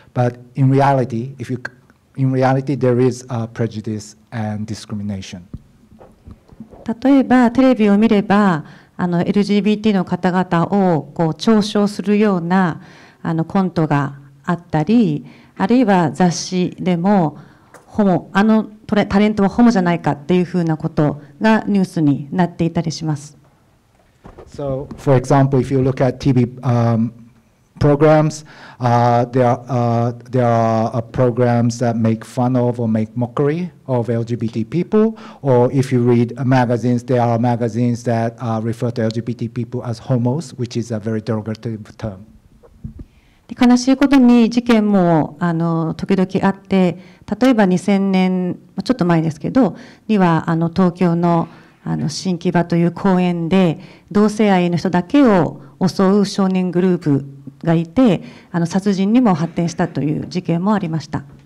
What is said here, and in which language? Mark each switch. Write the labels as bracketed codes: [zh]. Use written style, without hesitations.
[en] But in reality, there is prejudice and discrimination. [ja] 例えばテレビを見ればLGBT の方々をこう嘲笑するようなコントがあったりあるいは雑誌でもホモタレントはホモじゃないかっていうふうなことがニュースになっていたりします。 [en] So, for example, if you look at TV, programs, there are programs that make fun of or make mockery of LGBT people. Or if you read magazines, there are magazines that refer to LGBT people as homos, which is a very derogative term. [ja] 悲しいことに事件も時々あって、例えば2000年、ちょっと前ですけど、には東京の新木場という公園で同性愛の人だけを襲う少年グループがいて殺人にも発展したという事件もありました。